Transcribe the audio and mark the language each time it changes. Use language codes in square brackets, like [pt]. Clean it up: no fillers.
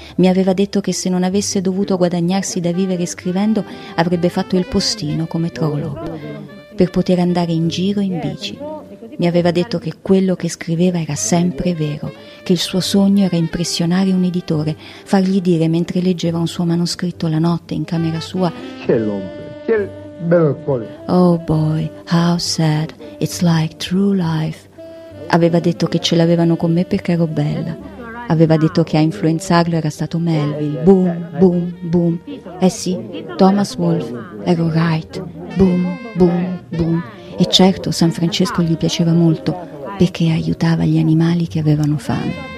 [it] Mi aveva detto che se non avesse dovuto guadagnarsi da vivere scrivendo, avrebbe fatto il postino come Trollop per poter andare in giro in bici. Mi aveva detto che quello che scriveva era sempre vero, che il suo sogno era impressionare un editore, fargli dire mentre leggeva un suo manoscritto la notte in camera sua: c'è l'ombre, c'è il bello cuore. [en] Oh boy, how sad, it's like true life. [it] Aveva detto che ce l'avevano con me perché ero bella. Aveva detto che a influenzarlo era stato Melville. Boom, boom, boom. Eh sì, Thomas Wolfe. Ero right. Boom, boom, boom. E certo, San Francisco gli piaceva molto perché aiutava gli animali che avevano fame.